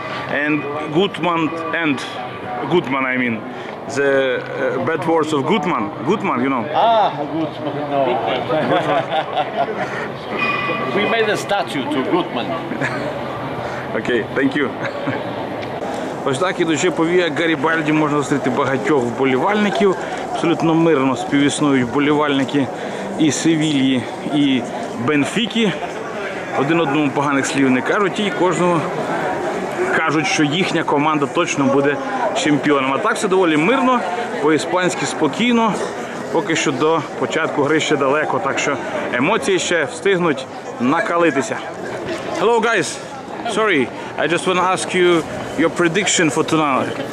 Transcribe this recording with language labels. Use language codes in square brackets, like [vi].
[en] And Gutman and Gutman. I mean, the bad words of Gutman. Gutman, you know. Ah, Gutman. No. Gutman. We made a statue to Gutman. Окей, thank you. [uk] Ось так, ідучи по Віа Гарібальді, можна зустріти багатьох вболівальників. Абсолютно мирно співіснують вболівальники і Севільї, і Бенфіки. Один одному поганих слів не кажуть, і кожного кажуть, що їхня команда точно буде чемпіоном. А так все доволі мирно, по-іспанськи спокійно. Поки що до початку гри ще далеко, так що емоції ще встигнуть накалитися. [en] Hello, guys! Sorry, I just want to ask you your prediction for tonight.